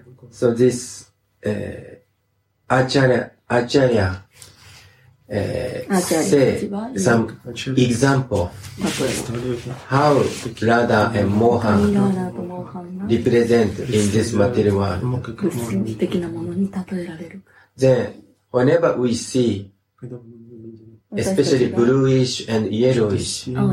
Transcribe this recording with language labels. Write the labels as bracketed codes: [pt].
[en] So this Acharya say some example how Radha and Mohan represent in this material world. [ja] 物質的なものに例えられる。 [en] Then whenever we see especially bluish and yellowish.